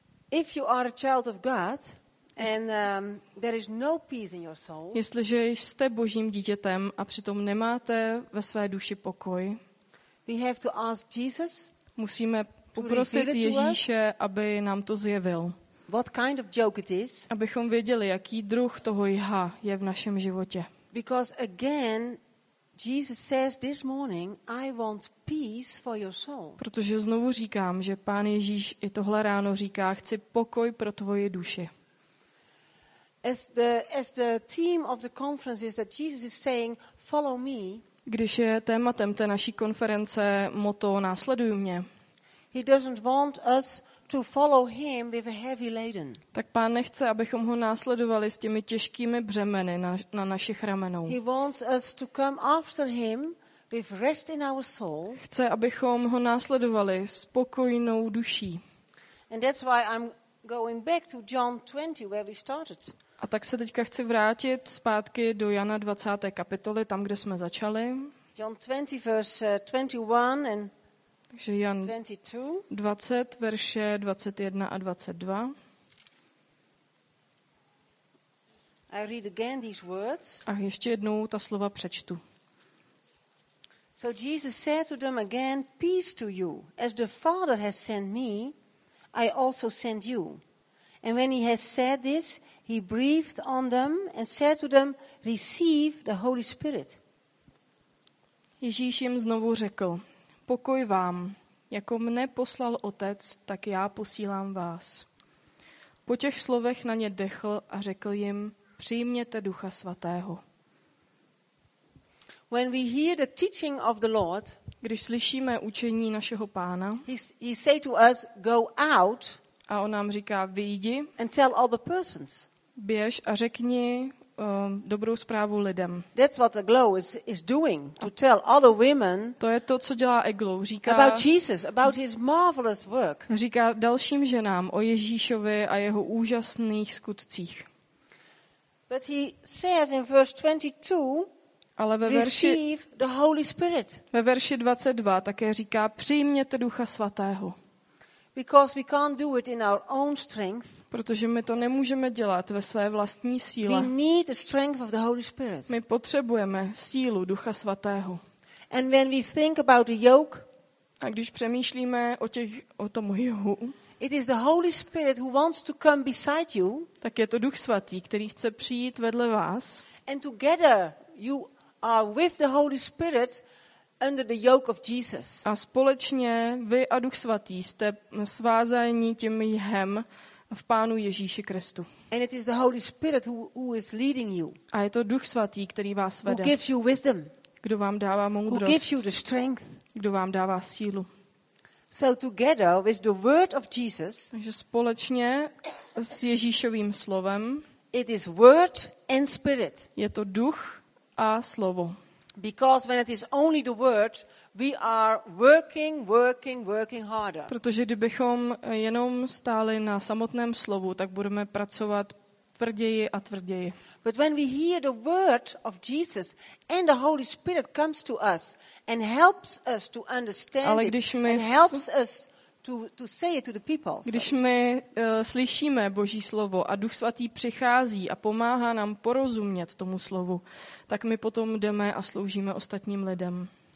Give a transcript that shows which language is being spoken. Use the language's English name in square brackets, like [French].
[English] If you are a child of God and there is no peace in your soul. [Czech] Jestliže jste Božím dítětem a přitom nemáte ve své duši pokoj. [English] We have to ask Jesus. [Czech] Musíme poprosit Ježíše, aby nám to zjevil. [English] What kind of joke it is? [Czech] Abychom věděli, jaký druh toho jha je v našem životě. [English] Because again Jesus says this morning, I want peace for your soul. [Czech] Protože znovu říkám, že Pán Ježíš i tohle ráno říká, chci pokoj pro tvoje duši. [English] As the theme of the conference is that Jesus is saying, follow me. [Czech] Když je tématem té naší konference motto následuj mě. [English] He doesn't want us to follow him with a heavy laden. [Czech] Tak Pán nechce, abychom ho následovali s těmi těžkými břemeny na našich ramenou. [English] He wants us to come after him with rest in our soul. [Czech] Chce, abychom ho následovali s pokojnou duší. [English] And that's why I'm going back to John 20 where we started. [Czech] A tak se teďka chci vrátit zpátky do Jana 20. kapitoly, tam kde jsme začali. [English] John 20 verse 21 and [Czech] takže Jan 20, verše 21 a 22. [English] I read again these words. [Czech] A ještě jednou ta slova přečtu. [English] So Jesus said to them again, peace to you. As the Father has sent me, I also send you. And when he has said this, he breathed on them and said to them, receive the Holy Spirit. [Czech] Ježíš jim znovu řekl, pokoj vám. Jako mne poslal Otec, tak já posílám vás. Po těch slovech na ně dechl a řekl jim, přijměte Ducha Svatého. [English] When we hear the teaching of the Lord, [Czech] když slyšíme učení našeho Pána, [English] he say to us, go out, [Czech] a on nám říká, vyjdi [English] and tell all the persons. [Czech] Běž a řekni dobrou zprávu lidem. [English] That's what Eglow is doing to tell other women. [Czech] To je to, co dělá Eglow. Říká [English] about Jesus, about his marvelous work. [Czech] Říká dalším ženám o Ježíšovi a jeho úžasných skutcích. [English] But he says in verse 22, [Czech] ale [English] receive the Holy Spirit. [Czech] Ve verši 22 také říká přijměte Ducha Svatého. [English] Because we can't do it in our own strength. [Czech] Protože my to nemůžeme dělat ve své vlastní síle. [English] We need the strength of the Holy Spirit. [Czech] My potřebujeme sílu Ducha Svatého. [English] And when we think about the yoke, [Czech] a když přemýšlíme o tom jihu, [English] It is the Holy Spirit who wants to come beside you. [Czech] Tak je to Duch svatý, který chce přijít vedle vás. [English] And together you are with the Holy Spirit under the yoke of Jesus. [Czech] A společně vy a Duch svatý jste svázáni tím jhem v Pánu Ježíši Kristu. [English] And it is the Holy Spirit who is leading you. [Czech] A je to Duch svatý, který vás vede. [English] Who gives you wisdom. [Czech] Kdo vám dává moudrost. [English] Who gives you the strength. [Czech] Kdo vám dává sílu. [English] So together with the word of Jesus. [Czech] Takže společně s Ježíšovým slovem. [English] It is word and spirit. [Czech] Je to duch a slovo. [English] Because when it is only the word, we are working harder. [Czech] Protože kdybychom jenom stáli na samotném slovu, tak budeme pracovat tvrději a tvrději. [English] But when we hear the word of Jesus and the Holy Spirit comes to us and helps us to understand it and helps us to say it to the people. [Czech] Když my slyšíme Boží slovo a Duch svatý přichází a pomáhá nám porozumět tomu slovu, tak my potom jdeme a sloužíme ostatním lidem.